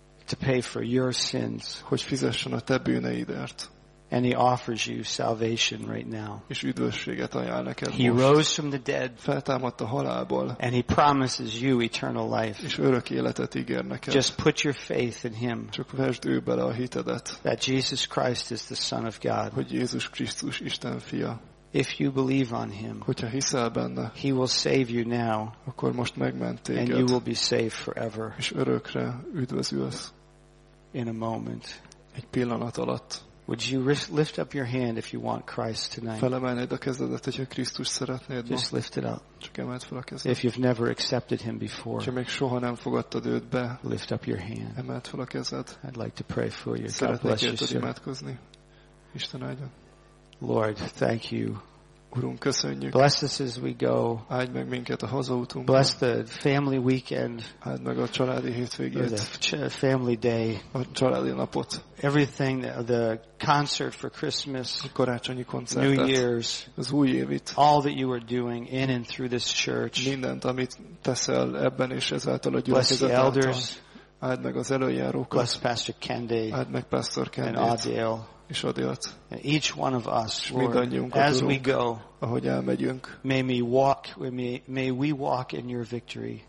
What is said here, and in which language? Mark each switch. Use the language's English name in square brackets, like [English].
[English] To pay for your sins. [Hungarian] Hogy fizessen a te bűneidért. [English] And he offers you salvation right now. [Hungarian] És üdvösséget ajánl neked most. [English] He rose from the dead. [Hungarian] Feltámadt a halálból. [English] And he promises you eternal life. [Hungarian] És örök életet ígér neked. [English] Just put your faith in him. [Hungarian] Csak vesd ő bele a hitedet. [English] That Jesus Christ is the Son of God. [Hungarian] Hogy Jézus Krisztus Isten fia. [English] If you believe on him, [Hungarian] hogyha hiszel benne, [English] he will save you now. [Hungarian] Akkor most megment téged. [English] And you will be saved forever. [Hungarian] És örökre üdvözülsz. [English] In a moment. [Hungarian] Egy pillanat alatt. [English] Would you lift up your hand if you want Christ tonight? [Hungarian] Felemeld a kezedet, hogyha Krisztust szeretnéd. [English] Just lift it up. [Hungarian] Csak emeld fel a kezedet. [English] If you've never accepted him before. [Hungarian] Csak még soha nem fogadtad őt be. [English] Lift up your hand. [Hungarian] Emeld fel a kezed. [English] I'd like to pray for you. [Hungarian] Szeretnék imádkozni. Isten áldjon. [English] Lord, thank you. [Hungarian] Urunk, köszönjük. [English] Bless us as we go. [Hungarian] Áld meg minket a hazautunkban. [English] Bless the family weekend. [Hungarian] Áld meg a családi hétvégét. [English] The family day. [Hungarian] A családi napot. [English] Everything, the concert for Christmas. [Hungarian] A karácsonyi koncertet. [English] New Year's. [Hungarian] Az új évit. [English] All that you are doing in and through this church. [Hungarian] Mindent, amit teszel ebben és ezáltal a gyülekezet által. [English] Bless the elders. [Hungarian] Áld meg az előjárókat. [English] Bless Pastor Kendi. [Hungarian] Áld meg Pastor Kendi. [English] And Adiel. [Hungarian] És Adiat. [English] Each one of us, Lord, as [Hungarian] Urunk, [English] we go, [Hungarian] ahogy elmegyünk, [English] may we walk in your victory.